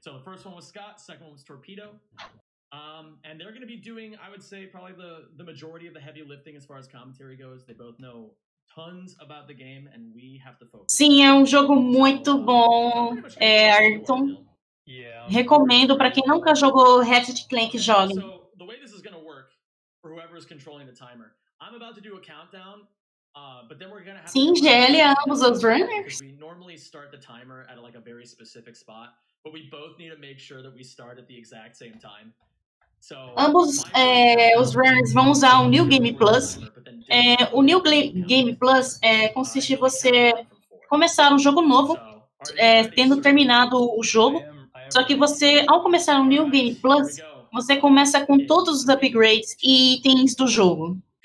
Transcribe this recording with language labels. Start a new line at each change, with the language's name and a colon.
English: So the first one was Scott, second one was Torpedo. And they're going to be doing, I would say, probably the majority of the heavy lifting as far as commentary goes. They both know tons about the game, and we have to focus.
Portuguese: Sim, é jogo muito bom, Ayrton.
English: Yeah.
Portuguese: Recomendo para quem nunca jogou Ratchet Clank, jogue.
English: So, the way this is going to work, for whoever is controlling the timer, I'm about to do a countdown, but then we're going to have...
Portuguese: Sim, Gelli, ambos os runners.
English: We normally start the timer at like a very specific spot. But we both need to make sure that we start at the exact same time. So,
Portuguese: ambos os runners vão usar o New Game Plus. O New Game Plus consiste em você começar um jogo novo, tendo terminado o jogo. Só que você, ao começar um New Game Plus, você começa com todos os upgrades e itens do jogo.